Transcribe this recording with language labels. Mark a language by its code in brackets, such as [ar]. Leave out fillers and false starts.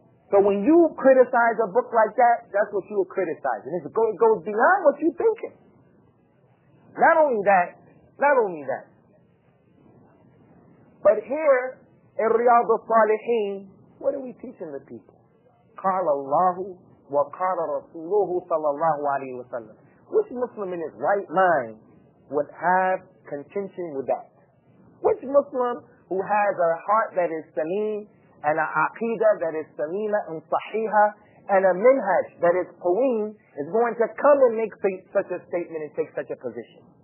[en] So when you criticize a book like that, that's what you are criticizing. It goes beyond what you're thinking. Not only that. But here, in Riyadh al-Salihin, what are we teaching the people? [ar] قال الله وقال رسوله صلى الله عليه وسلم. [en] Which Muslim in his right mind would have contention with that? Which Muslim who has a heart that is saleem and an aqidah that is saleema and sahiha and a minhaj that is qawim is going to come and make such a statement and take such a position?